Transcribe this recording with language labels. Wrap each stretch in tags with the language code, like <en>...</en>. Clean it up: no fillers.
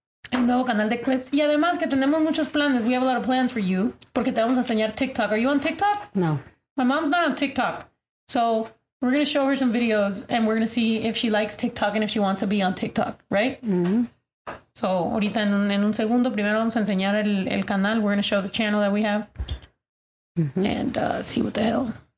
<es>El nuevo canal de Clips. Y además que tenemos muchos planes.</es> <en>We have a lot of plans for you.</en> <es>Porque te vamos a enseñar TikTok.</es> <en>Are you on TikTok? No. My mom's not on TikTok. So... We're going to show her some videos and we're going to see if she likes TikTok and if she wants to be on TikTok, right?</en> <es>So, ahorita en un segundo, primero vamos a enseñar el canal.</es> <en>We're going to show the channel that we have and see what the hell.</en>